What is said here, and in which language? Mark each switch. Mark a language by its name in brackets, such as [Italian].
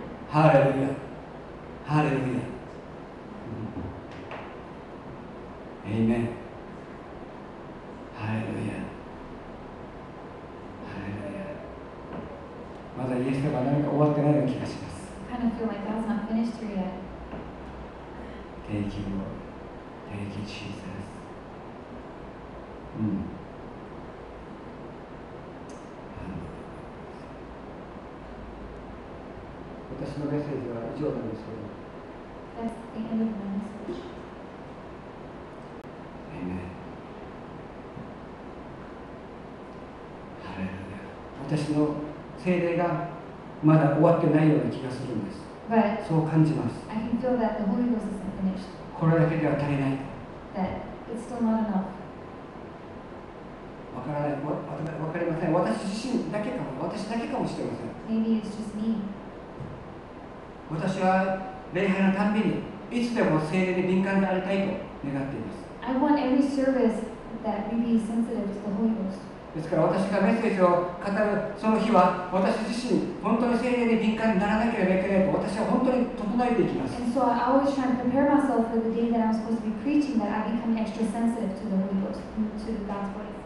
[Japanese] ハレルヤ。ハレルヤ。エイメン。ハレルヤ。ハレルヤ。まだイエス様は何か終わってないような気がします。 [English] Kind of feel like God's not finished here yet. Thank you, Lord. Thank you, Jesus. [Japanese] 私のメッセージは以上なんですけど。 [English] That's the end of my message. Amen. [Japanese] ハレルヤ。私の聖霊がまだ終わってないような気がするんです。 [English] But、 [Japanese] そう感じます。 [English] I can feel that the Holy Ghost isn't finished. [Japanese] これだけでは足りない。 [English] That it's still not enough. [Japanese] わからない、わかりません。私自身だけかも、私だけかもしれません。 [English] Maybe it's just me. [Japanese] 私は礼拝のたんびにいつでも聖霊に敏感になりたいと願っています。 [English] I want every service that we be sensitive to the Holy Ghost. [Japanese] ですから私がメッセージを語るその日は私自身本当に聖霊に敏感にならなければいけないと私は本当に整えていきます。 [English] And so I always try to prepare myself for the day that I'm supposed to be preaching that I become extra sensitive to the Holy Ghost, to God's voice.